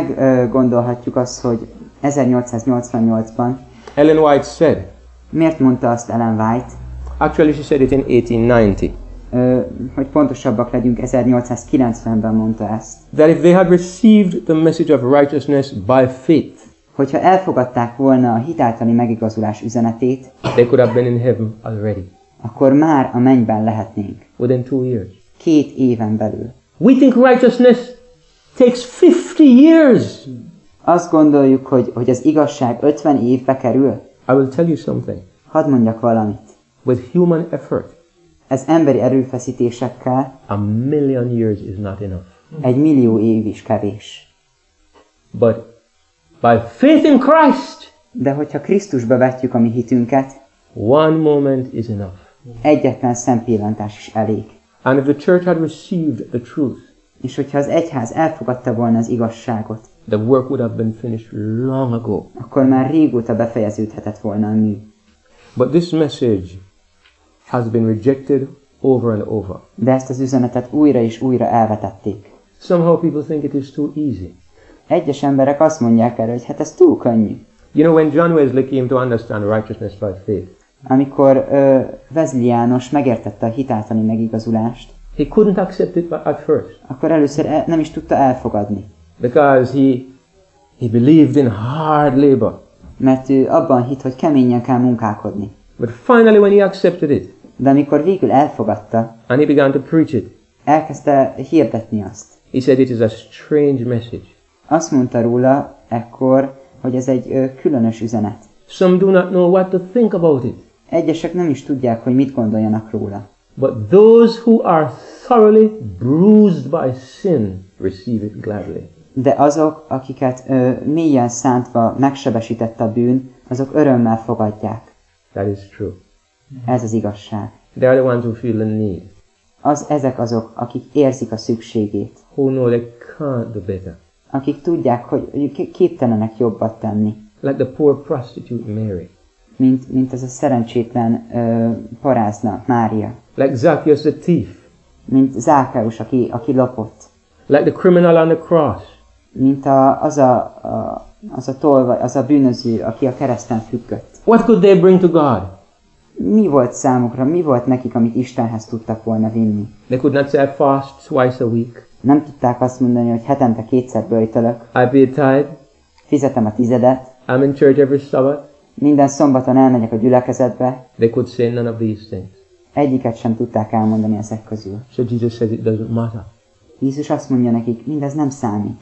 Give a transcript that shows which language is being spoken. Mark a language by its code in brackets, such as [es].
[hu] Meggondolhatjuk azt, hogy 1888-ban. [en] Ellen White said. [hu] Miért mondta azt Ellen White? [en] Actually she said it in 1890. [hu] Hogy pontosabbak legyünk, 1890-ben mondta ezt. [en] That if they had received the message of righteousness by faith. [hu] Hogyha elfogadták volna a hitáltali megigazulás üzenetét, [en] they could have been in heaven already. [hu] Akkor már a mennyben lehetnénk. [en] Within 2 years. [hu] 2 éven belül. [en] We think righteousness takes 50 years. [hu] Azt gondoljuk, hogy az igazság 50 évbe kerül. [en] I will tell you something. [hu] Hadd mondjak valamit. [en] With human effort. [hu] Ez emberi erőfeszítésekkel. [en] A million years is not enough. [hu] Egy millió év is kevés. [en] But by faith in Christ. [hu] De hogyha Krisztusba vetjük a mi hitünket, [en] one moment is enough. [hu] Egyetlen szempillantás is elég. [en] And if the church had received the truth. [hu] És hogyha az egyház elfogadta volna az igazságot, [en] the work would have been finished long ago. [hu] Akkor már régóta befejeződhetett volna a mű. [en] But this message has been rejected over and over. [hu] De ezt az üzenetet újra és újra elvetették. [en] Somehow people think it is too easy. [hu] Egyes emberek azt mondják erre, hogy hát ez túl könnyű. [en] You know, when John Wesley came to understand righteousness by faith. [hu] Amikor Wesley János megértette a hitáltani megigazulást. [en] He couldn't accept it at first. [hu] Akkor először nem is tudta elfogadni. [en] Because he believed in hard labor. [hu] Mert ő abban hit, hogy keményen kell munkálkodni. [en] But finally when he accepted it. [hu] De amikor végül elfogadta. [en] And he began to preach it. [hu] Elkezdte hirdetni azt. [en] He said it is a strange message. [hu] Azt mondta róla ekkor, hogy ez egy különös üzenet. [en] Some do not know what to think about it. [hu] Egyesek nem is tudják, hogy mit gondoljanak róla. [en] But those who are thoroughly bruised by sin receive it gladly. [hu] De azok, akiket mélyen szántva megsebesített a bűn, azok örömmel fogadják. [en] That is true. [hu] Ez az igazság. [en] They are the ones who feel the need. [hu] Ezek azok, akik érzik a szükségét. [en] Who know they can't do better. [hu] Akik tudják, hogy képtelenek jobbat tenni. [en] Like the poor prostitute Mary. [hu] Mint ez a szerencsétlen parázna Mária. [en] Like Zacchaeus the thief. [hu] Mint Zákeus, aki lopott. [en] Like the criminal on the cross. [hu] mint az a tolvaj, az a bűnöző, aki a kereszten függött. [en] What could they bring to God? [hu] Mi volt számukra, mi volt nekik, amit Istenhez tudtak volna vinni? [en] They could not say I fast twice a week. [hu] Nem tudták azt mondani, hogy hetente kétszer böjtölök. [en] I pay a tithe. [hu] Fizetem a tizedet. [en] I'm in church every Sabbath. [hu] Minden szombaton elmegyek a gyülekezetbe. [en] They could say none of these things. [hu] Egyiket sem tudták elmondani ezek közül. [en] So Jesus says it doesn't matter. [hu] Jézus azt mondja nekik, mindez nem számít.